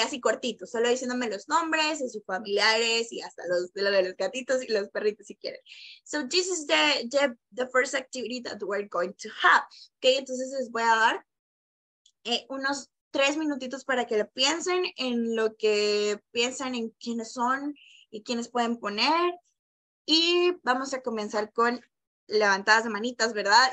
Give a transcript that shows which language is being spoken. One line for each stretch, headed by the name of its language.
Spanish: Así cortito, solo diciéndome los nombres y sus familiares y hasta los de los gatitos y los perritos si quieren.
English: So this is the first activity that we're going to have, okay?
Spanish: Entonces les voy a dar unos 3 minutitos para que lo piensen en lo que piensan en quiénes son y quiénes pueden poner. Y vamos a comenzar con levantadas de manitas, ¿verdad?